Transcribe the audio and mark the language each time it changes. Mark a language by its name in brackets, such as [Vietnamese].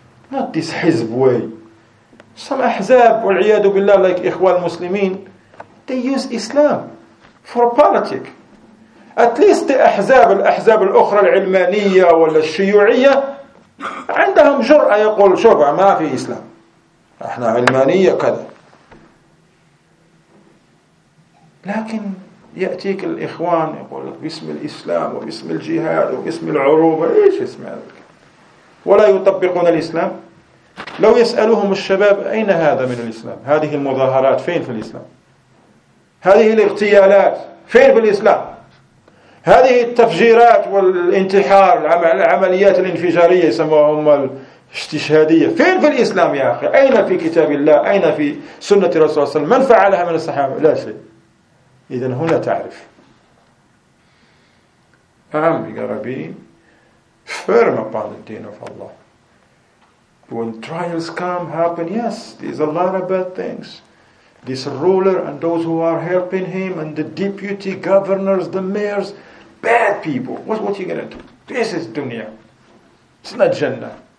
[English] Not this Hizb way. Some Ahzab, wal'iyadu billah, like Ikhwan Muslimin, they use Islam for politics. At least the Ahzab, [Arabic] al-Ahzab al-Ukhra al-Ilmaniyya wal al-Shiyu'iyya, عندهم جرأة يقول شوف ما في إسلام. احنا علمانية كذا. لكن يأتيك الإخوان يقول لك باسم الإسلام وباسم الجهاد وباسم العروبة ايش اسم هذا ولا يطبقون الإسلام. لو يسألهم الشباب اين هذا من الإسلام، هذه المظاهرات فين في الإسلام، هذه الاغتيالات فين في الإسلام، هذه التفجيرات والانتحار العمليات الانفجارية يسموها هم اجتشهادية فين في الإسلام يا أخي، أين في كتاب الله، أين في سنة رسول الله صلى الله عليه وسلم، من فعلها من الصحابة؟ لا شيء. إذن هنا تعرف أهم بقربين [English] firm upon the deen of Allah. When trials come happen, yes, there's a lot of bad things. This ruler and those who are helping him and the deputy governors, the mayors, bad people. What are you going to do? This is dunya. It's not Jannah.